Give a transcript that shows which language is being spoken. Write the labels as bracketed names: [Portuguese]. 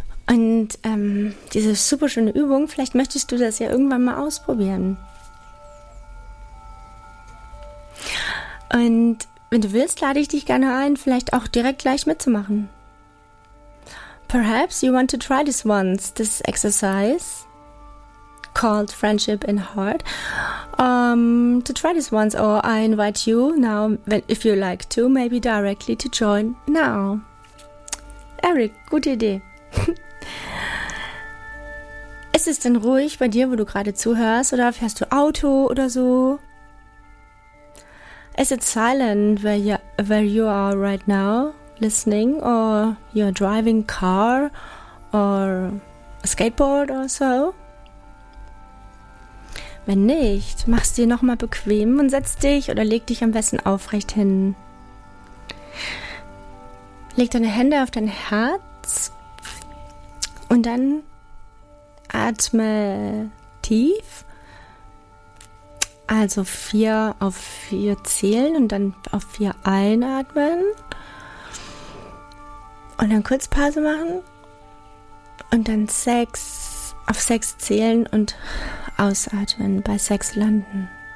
[German] Und diese super schöne Übung, vielleicht möchtest du das ja irgendwann mal ausprobieren. Und wenn du willst, lade ich dich gerne ein, vielleicht auch direkt gleich mitzumachen. [English] Perhaps you want to try this once, this exercise called Friendship in Heart. To try this once, or I invite you now, if you like to, maybe directly to join now. [German] Eric, gute Idee. Ist es denn ruhig bei dir, wo du gerade zuhörst, oder fährst du Auto oder so? [English] Is it silent where you are right now, listening, or you're driving car or a skateboard or so? [German] Wenn nicht, mach's dir nochmal bequem und setz dich oder leg dich am besten aufrecht hin. Leg deine Hände auf dein Herz und dann atme tief, also vier auf vier zählen und dann auf vier einatmen und dann kurz Pause machen und dann sechs auf sechs zählen und ausatmen, bei sechs landen.